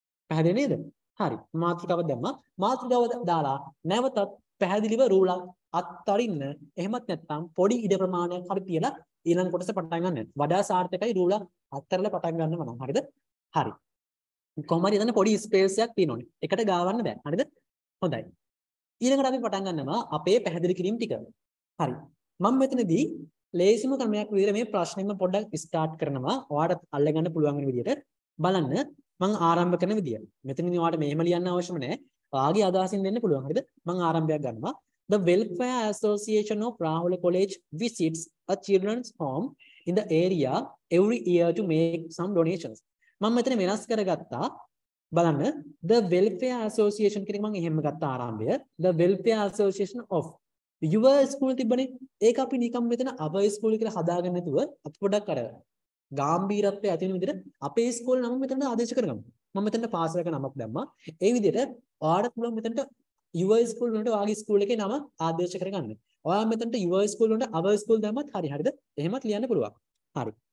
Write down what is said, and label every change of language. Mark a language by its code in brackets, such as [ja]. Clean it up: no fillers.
[si] පැහැදිලි නේද හරි මාතෘකාව දැම්මා මාතෘකාව දාලා නැවතත් පැහැදිලිව රූලක් අත්තරින්න එහෙමත් නැත්නම් පොඩි ඉඩ ප්‍රමාණයක් හරි තියලා ඊළඟ කොටස පටන් ගන්න වඩා සාර්ථකයි රූලක් අත්තරලා පටන් ගන්නව නම් හරිද හරි කොමරි එතන පොඩි ස්පේස් එකක් තියෙනවනේ එකට ගාවන්න බෑ හරිද හොඳයි ඊළඟට අපි පටන් ගන්නවා අපේ පැහැදිලි කිරීම ටික හරි මම මෙතනදී ලේසිම ක්‍රමයක් විදිහට මේ ප්‍රශ්නෙම පොඩ්ඩක් ස්ටාර්ට් කරනවා. ඔයාට අල්ලගන්න පුළුවන් වෙන විදිහට බලන්න මම ආරම්භ කරන විදිය. මෙතනදී ඔයාට මෙහෙම ලියන්න අවශ්‍යම නැහැ. ඔයාගේ අදහසින් දෙන්න පුළුවන්. හරිද? මම ආරම්භයක් ගන්නවා. [en] The Welfare Association of Rahul College visits a children's home in the area every year to make some donations. [si] මම මෙතන වෙනස් කරගත්තා. බලන්න The Welfare Association කියන එක මම එහෙම ගත්තා ආරම්භය. [en] The Welfare Association of your school [si] තිබ්බනේ. ඒක අපි නිකම් මෙතන our school කියලා හදාගෙන නැතුව අපි පොඩ්ඩක් අර ගැඹීරත්වය ඇති වෙන විදිහට අපේ ස්කෝල් නම මෙතන ආදේශ කරගමු. මම මෙතන පාසලක නමක් දැම්මා. ඒ විදිහට ඔයාලට පුළුවන් මෙතනට your school වලට ඔයාගේ ස්කූල් එකේ නම ආදේශ කරගන්න. ඔයා මෙතනට your school වලට our school දැම්මත් හරි හරිද? එහෙමත් ලියන්න පුළුවන්. හරි.